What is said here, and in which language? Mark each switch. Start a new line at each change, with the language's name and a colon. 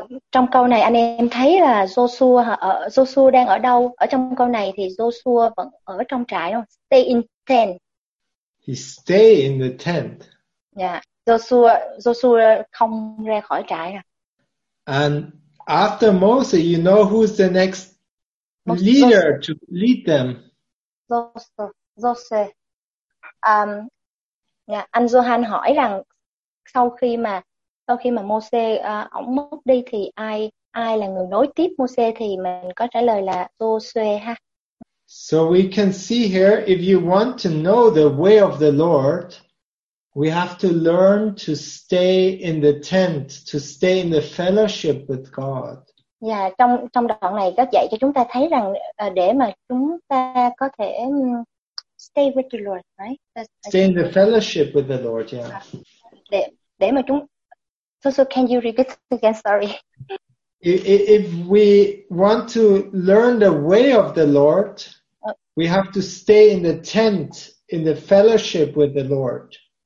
Vietnamese: Trong câu này anh em thấy là Joshua đang ở đâu? Ở trong câu này thì Joshua vẫn ở trong trại đúng không?
English: Stay in tent. He stay in the tent. Yeah.
Vietnamese: Joshua không ra khỏi trại.
English: And after Moses, you know who's the next leader to lead them? Joshua.
Vietnamese: Anh Johan hỏi rằng sau khi mà Moses ổng mất đi thì ai là người nối tiếp Moses, thì mình có trả lời là Joshua ha.
English: So we can see here, if you want to know the way of the Lord, we have to learn to stay in the tent, to stay in the fellowship with God.
Vietnamese: Yeah, trong đoạn này có dạy cho chúng ta thấy rằng để mà chúng ta có thể
English: stay with the Lord, right? Stay in the fellowship with the Lord, yeah.
Vietnamese: Để mà chúng
English: So can you repeat again? Sorry. If we want to learn the way of the Lord, we have to stay in the tent in the fellowship with the Lord.